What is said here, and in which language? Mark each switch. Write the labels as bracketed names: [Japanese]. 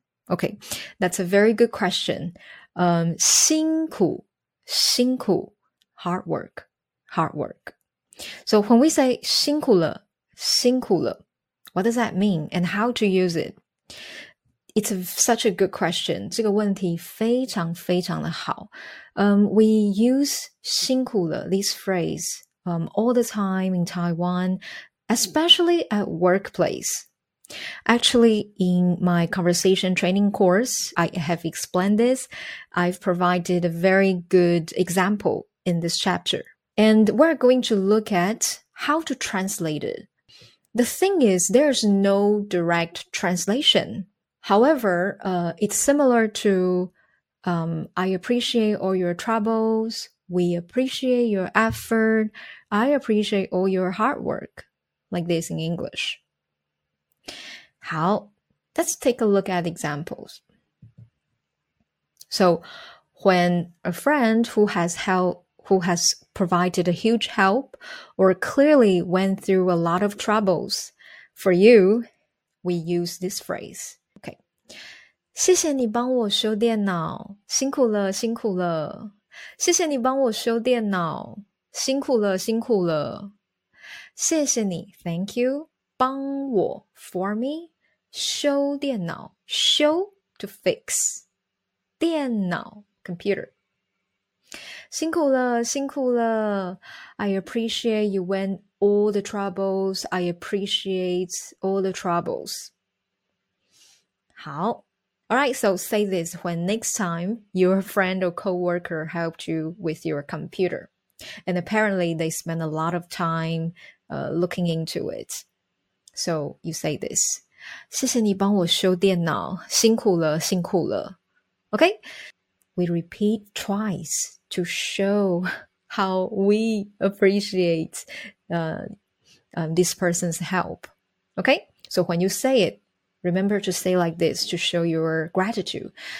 [English] Okay, that's a very good question. 辛苦 hard work. So when we say 辛苦了, what does that mean and how to use it? It's such a good question. [Chinese] 这个问题非常非常的好。 [English] We use 辛苦了 this phrase all the time in Taiwan, especially at workplace. Actually, in my conversation training course, I have explained this. I've provided a very good example in this chapter, and we're going to look at how to translate it. The thing is, there's no direct translation. However, it's similar to, I appreciate all your troubles. We appreciate your effort. I appreciate all your hard work, like this in English. 好, let's take a look at examples. So, when a friend who has provided a huge help or clearly went through a lot of troubles for you, we use this phrase. [Chinese] 谢谢你帮我修电脑，辛苦了，辛苦了。谢谢你帮我修电脑，辛苦了，辛苦了。谢谢你， [English] Thank you， [Chinese] 帮我， [English] for me， [Chinese] 修电脑， [English] show to fix， [Chinese] 电脑， [English] computer。 [Chinese] 辛苦了，辛苦了。 [English] I appreciate you went all the troubles. I appreciate all the troubles. 好。 All right, so say this when next time your friend or coworker helped you with your computer. And apparently they spent a lot of time looking into it. So you say this. [Chinese] 谢谢你帮我修电脑，辛苦了，辛苦了。 [English] Okay? We repeat twice to show how we appreciate this person's help. Okay? So when you say it, remember to say like this to show your gratitude.